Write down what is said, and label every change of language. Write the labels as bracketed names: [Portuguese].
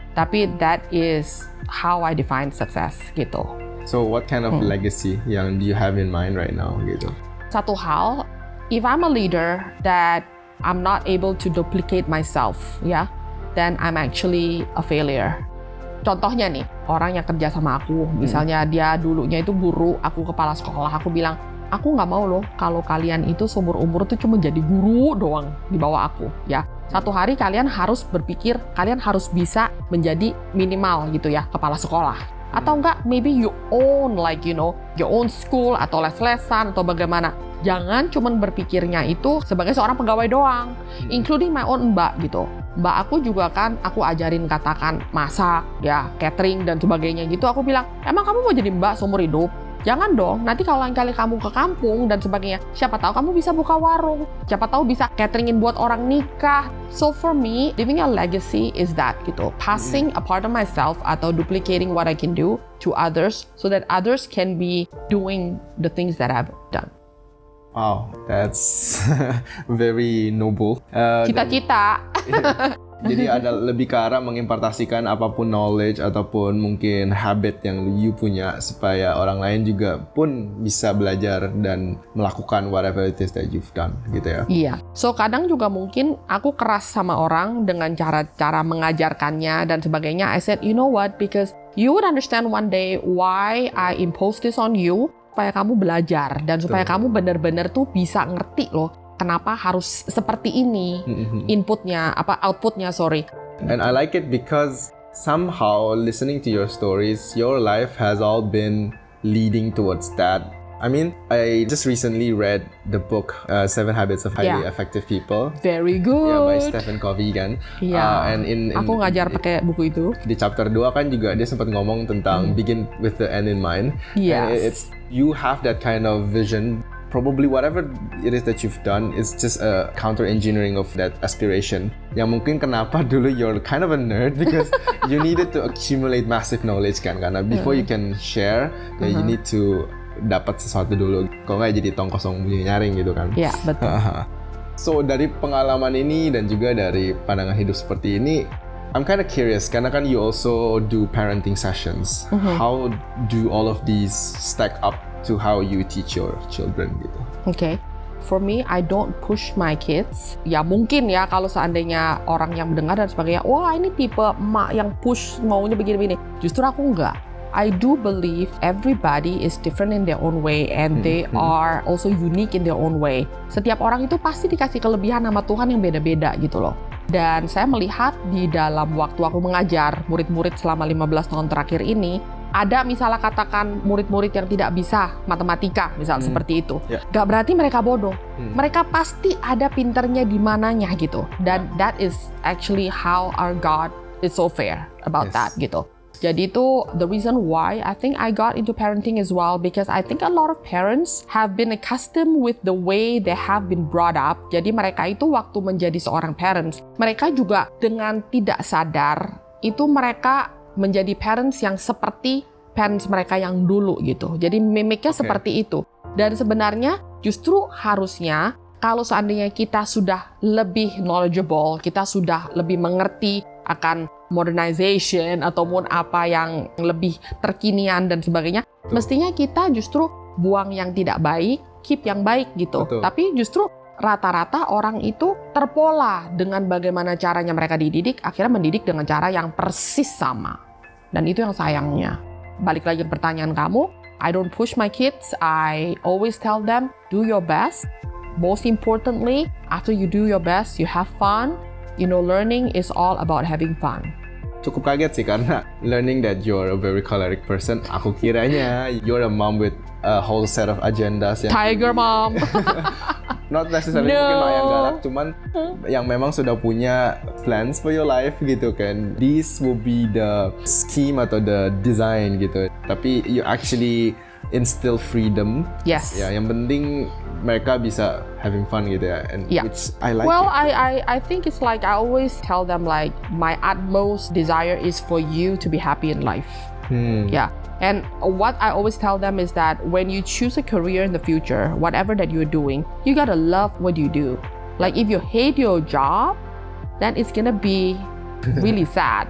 [English] Tapi that is how I define success gitu. So what kind of legacy yang do you have in mind right now gitu? [Indonesian] Satu hal, [English] if I'm a leader that I'm not able to duplicate myself, then I'm actually a failure. [Indonesian] Contohnya nih, orang yang kerja sama aku, misalnya dia dulunya itu guru, aku kepala sekolah, aku bilang, aku nggak mau loh kalau kalian itu seumur umur itu cuma jadi guru doang di bawah aku, ya. Satu hari kalian harus berpikir, kalian harus bisa menjadi minimal gitu ya, kepala sekolah. Atau enggak, maybe you own like, you know, your own school atau les-lesan atau bagaimana. Jangan cuma berpikirnya itu sebagai seorang pegawai doang, [English] including my own [Indonesian] mbak gitu. Mbak aku juga kan, aku ajarin katakan masak, ya, catering dan sebagainya gitu. Aku bilang, emang kamu mau jadi mbak seumur hidup? Jangan dong, nanti kalau lain kali kamu ke kampung dan sebagainya, siapa tahu kamu bisa buka warung, siapa tahu bisa cateringin buat orang nikah. [English] So for me, leaving a legacy is that gitu, passing a part of myself atau duplicating what I can do to others so that others can be doing the things that I've done. Wow, that's very noble. [Indonesian] Cita-cita. Jadi ada lebih ke arah mengimpartasikan apapun knowledge ataupun mungkin habit yang you punya supaya orang lain juga pun bisa belajar dan melakukan [English] whatever it is that you've done [Indonesian] gitu ya. Iya. So kadang juga mungkin aku keras sama orang dengan cara-cara mengajarkannya dan sebagainya. [English] I said, "You know what? Because you would understand one day why I impose this on you." [Indonesian] Supaya kamu belajar dan supaya kamu benar-benar tuh bisa ngerti loh kenapa harus seperti ini inputnya apa outputnya sorry. [English] And I like it because somehow listening to your stories, your life has all been leading towards that. I mean, I just recently read the book 7 Habits of Highly Effective People. Very good. Yeah, by Stephen Covey kan. Yeah. And in [Indonesian] aku ngajar pakai buku itu. Di chapter 2 kan juga dia sempat ngomong tentang [English] begin with the end in mind. Yes. And it's you have that kind of vision. Probably whatever it is that you've done is just a counter engineering of that aspiration. [Indonesian] Yang mungkin kenapa dulu [English] you're kind of a nerd because you needed to accumulate massive knowledge [Indonesian] kan karena [English] before you can share, uh-huh. you need to [Indonesian] dapat sesuatu dulu, kok nggak jadi tong kosong bunyi nyaring gitu kan? Iya, betul. So dari pengalaman ini dan juga dari pandangan hidup seperti ini, [English] I'm kind of curious [Indonesian] karena kan [English] you also do parenting sessions. [Indonesian] Mm-hmm. [English] How do all of these stack up to how you teach your children gitu? Okay, for me I don't push my kids. [Indonesian] Ya mungkin ya kalau seandainya orang yang mendengar dan sebagainya, wah ini tipe emak yang push maunya begini-begini. Justru aku enggak. [English] I do believe everybody is different in their own way and they are also unique in their own way. [Indonesian] Setiap orang itu pasti dikasih kelebihan sama Tuhan yang beda-beda gitu loh. Dan saya melihat di dalam waktu aku mengajar murid-murid selama 15 tahun terakhir ini, ada misalnya katakan murid-murid yang tidak bisa matematika, misalnya seperti itu. [English] Yeah. [Indonesian] Gak berarti mereka bodoh. Hmm. Mereka pasti ada pinternya di mananya gitu. [English] Dan that is actually how our God is so fair about that gitu. [Indonesian] Jadi itu [English] the reason why I think I got into parenting as well because I think a lot of parents have been accustomed with the way they have been brought up. [Indonesian] Jadi mereka itu waktu menjadi seorang parents, mereka juga dengan tidak sadar itu mereka menjadi parents yang seperti parents mereka yang dulu gitu. Jadi mimiknya seperti itu. Dan sebenarnya justru harusnya kalau seandainya kita sudah lebih knowledgeable, kita sudah lebih mengerti akan modernization ataupun apa yang lebih terkinian dan sebagainya, betul. Mestinya kita justru buang yang tidak baik, keep yang baik gitu. Betul. Tapi justru rata-rata orang itu terpola dengan bagaimana caranya mereka dididik, akhirnya mendidik dengan cara yang persis sama. Dan itu yang sayangnya. Balik lagi ke pertanyaan kamu, [English] I don't push my kids, I always tell them, do your best. Most importantly, after you do your best, you have fun. You know, learning is all about having fun. [Indonesian] Cukup kaget sih karena [English] learning that you're a very choleric person. [Indonesian] Aku kiranya [English] you're a mom with a whole set of agendas. Tiger mom. Not necessarily [Indonesian] Mungkin Maya galak, cuman yang memang sudah punya [English] plans for your life [Indonesian] gitu kan. [English] This will be the scheme atau the design gitu. Tapi you actually instill freedom. Yes. [Indonesian] Ya, yang penting mereka bisa having fun gitu ya. [English] And which I like. Well, it. I think it's like I always tell them like my utmost desire is for you to be happy in life. Yeah. And what I always tell them is that when you choose a career in the future, whatever that you're doing, you gotta love what you do. Like if you hate your job, then it's gonna be really sad.